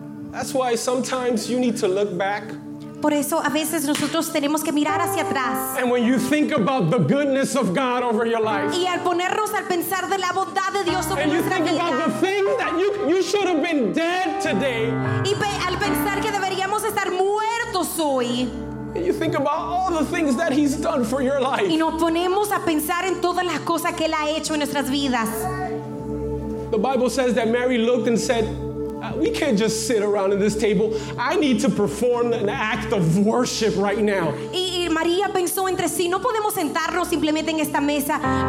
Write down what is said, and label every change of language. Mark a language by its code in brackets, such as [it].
[en] That's why sometimes you need to look back. [es] Por eso a veces nosotros tenemos que mirar hacia atrás. [en] And when you think about the goodness of God over your life. [es] Y al ponernos al pensar de la bondad de Dios sobre nuestra vida. [en] And you think about the thing that you should have been dead today. [es] Y al pensar que deberíamos estar muertos hoy. [en] And you think about all the things that He's done for your life. [es] Y nos ponemos a pensar en todas las cosas que Él ha hecho en nuestras vidas. [en] The Bible says that Mary looked and said, we can't just sit around at this table. I need to perform an act of worship right now. [es] Y María pensó entre sí, no podemos sentarnos simplemente en esta mesa.